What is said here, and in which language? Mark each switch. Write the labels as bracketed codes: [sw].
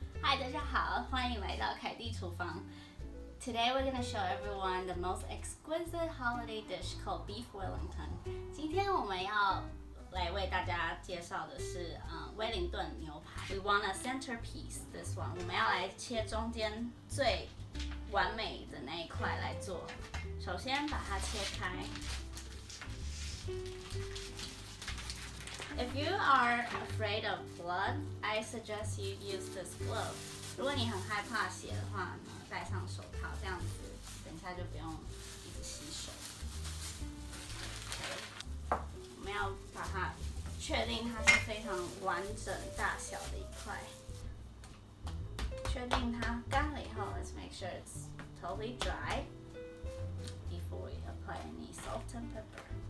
[zh] Hi, 大家好，欢迎来到凯蒂厨房。 [en] Today we're gonna show everyone the most exquisite holiday dish called Beef Wellington. [zh] 今天我们要来为大家介绍的是威灵顿牛排。 [en] We want a centerpiece, this one. [zh] 我们要来切中间最完美的那一块来做。首先把它切开。 [en] If you are afraid of blood, I suggest you use this glove. [zh] 如果你很害怕血的话呢，戴上手套，这样子等一下就不用一直洗手。我们要把它确定它是非常完整大小的一块。确定它干了以后 [en] ，Let's make sure it's totally dry before we apply any salt and pepper.